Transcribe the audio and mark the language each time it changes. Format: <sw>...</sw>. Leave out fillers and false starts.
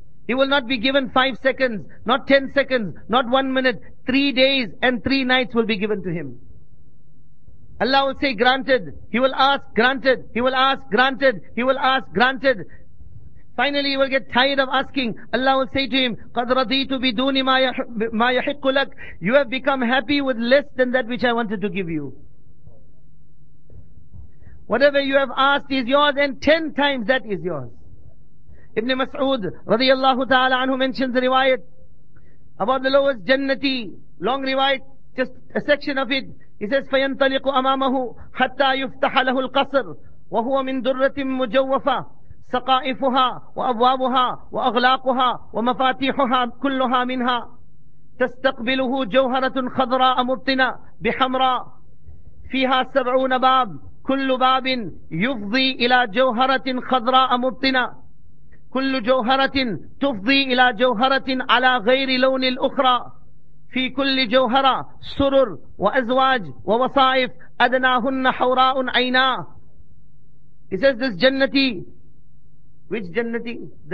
<en>He will not be given 5 seconds, not 10 seconds, not 1 minute. 3 days and 3 nights will be given to him. Allah will say, granted. He will ask, granted. He will ask, granted. He will ask, granted. Finally, he will get tired of asking. Allah will say to him,</en> <ar>قَدْ رَضِيتُ بِدُونِ مَا يَحِقُّ لَكُ.</ar> <en>You have become happy with less than that which I wanted to give you. Whatever you have asked is yours, and 10 times that is yours. Ibn Mas'ud radiyallahu ta'ala anhu mentions the riwayat about the lowest jannati. Long riwayat, just a section of it. He says,</en> <ar>فَيَنْتَلِقُ أَمَامَهُ حَتَّى يُفْتَحَ لَهُ الْقَصْرُ وَهُوَ مِنْ دُرَّةٍ مُجَوَّفَةٍ سَقَائِفُهَا وَأَبْوَابُهَا وَأَغْلَاقُهَا وَمَفَاتِيحُهَا كُلُّهَا مِنْهَا تَسْتَقْبِلُهُ جَوْهَرَةٌ خَضْرَاءَ مُبْطِنَةٌ بِحَمْرَاءَ فِيهَا 70 بَابٍ كُلُّ بَابٍ يُفْضِي إِلَى جَوْهَرَةٍ خَضْرَاءَ مُبْطِنَةٍ كل جوهرة تفضي إلى جوهرة على غير لون الأخرى في كل جوهرة سرر وأزواج ووصائف أدناهن حوراء عينا.</ar> <en>He says this jannati, which jannati?</en>